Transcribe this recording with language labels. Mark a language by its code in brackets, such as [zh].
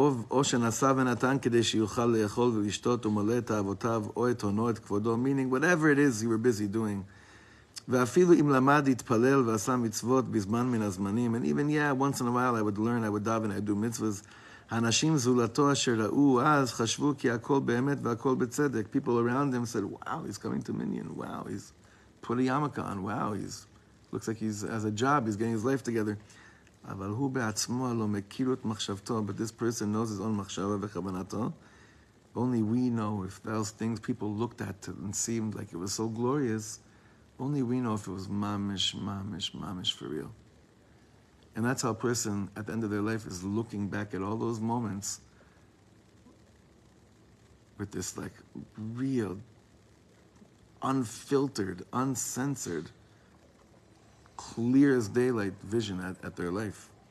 [he] או שנסע ונתן כדי שיוכל לאכול ולשתות ומלא את אהבותיו או את הונו את כבודו, [en] meaning whatever it is you were busy doing. [he] ואפילו אם למד, התפלל ועשה מצוות בזמן מן הזמנים, [en] and even, once in a while I would learn, I would daven, I would do mitzvahs. [he] האנשים זולתו אשר ראו אז חשבו כי הכל באמת והכל בצדק. [en] People around him said, wow, he's coming to Minyan. Wow, he's put a yarmulke on. Wow, he's looks like he's has a job. He's getting his life together. [he] אבל הוא בעצמו לא מכיר את מחשבתו, [en] but this person knows his own [he] מחשבה וכוונתו. [en] Only we know if those things people looked at and seemed like it was so glorious, only we know if it was mamish, mamish, mamish for real. And that's how a person at the end of their life is looking back at all those moments with this like real, unfiltered, uncensored, clear as daylight vision at their life.